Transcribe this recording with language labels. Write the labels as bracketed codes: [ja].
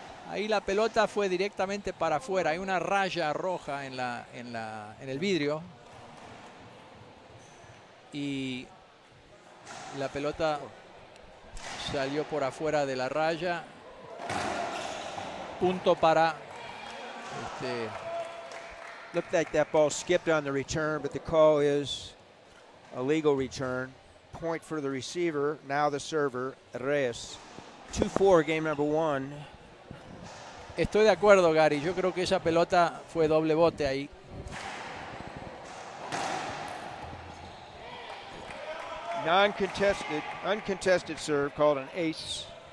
[es] Ahí la pelota fue directamente para afuera. Hay una raya roja en el vidrio. Y la pelota salió por afuera de la raya. Punto para... [en] Looked like that ball skipped on the return, but the call is a legal return. Point for the receiver, now the server, Reyes. 2-4, game number one. [es] Estoy de acuerdo, Gary. Yo creo que esa pelota fue doble bote ahí. [en] Uncontested serve, called an ace.